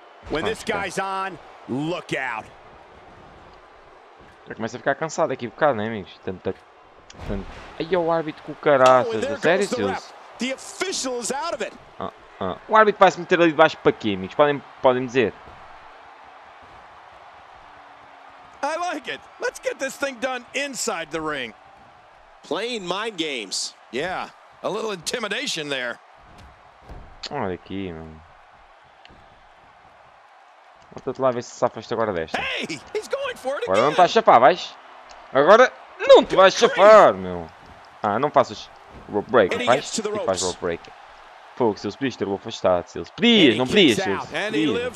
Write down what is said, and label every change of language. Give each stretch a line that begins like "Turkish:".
English: When this guy's on, look out.
Portuguese: Já começa a ficar cansado aqui um bocado, não é, amigos? Aí é o árbitro com o caraças, a sério, Silvio?
English: The official is out of it.
Portuguese: O árbitro vai se meter ali debaixo para quê, amigos? Podem dizer.
English: I like it. Let's get this thing done inside the ring. Playing mind games. Yeah, a little intimidation there.
Portuguese: Olha aqui, mano. Volta-te lá a ver se safas-te agora desta.
English: Hey, he's going for it.
Portuguese: Agora não estás a chapar, vais? Agora não te vais chapar, meu. Ah, não faças rope break, vais? E faz rope break. Pô, se eles podias ter-o afastado, se eles podias, não podias, se eles podias.